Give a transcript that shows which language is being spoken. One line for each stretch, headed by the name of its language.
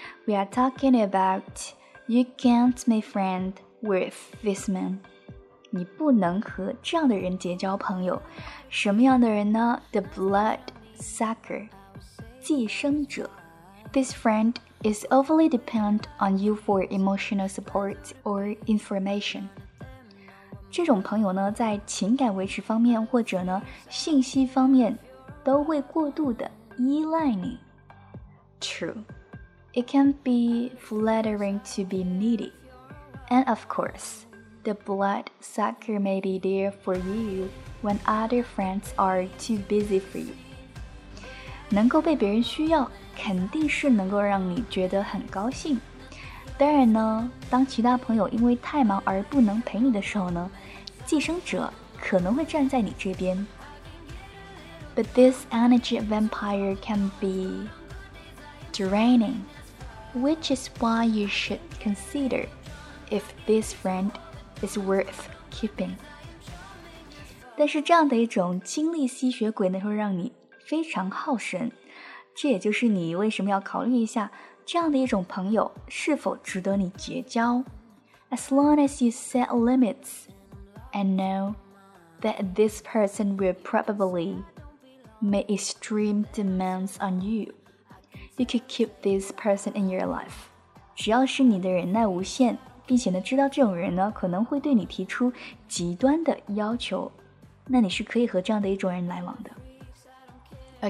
English: We are talking about you can't make friends with this man.
Chinese: 你不能和这样的人结交朋友。什么样的人呢 ?
English: The blood sucker.
Chinese: 寄生者。
English: This friend is overly dependent on you for emotional support or information.
Chinese: 这种朋友呢在情感维持方面或者呢信息方面都会过度的依赖你。
English: True, it can be flattering to be needy. And of course, the blood sucker may be there for you when other friends are too busy for you.
Chinese: 能够被别人需要肯定是能够让你觉得很高兴。当然呢当其他朋友因为太忙而不能陪你的时候呢寄生者可能会站在你这边。
English: But this energy vampire can be draining, which is why you should consider if this friend is worth keeping.
Chinese: 但是这样的一种精力吸血鬼呢会让你非常耗神，这也就是你为什么要考虑一下这样的一种朋友是否值得你结交。
English: As long as you set limits,And know that this person will probably make extreme demands on you. You could keep this person in your life.
Chinese: 只要是你的忍耐无限，并且呢知道这种人呢可能会对你提出极端的要求，那你是可以和这样的一种人来往的。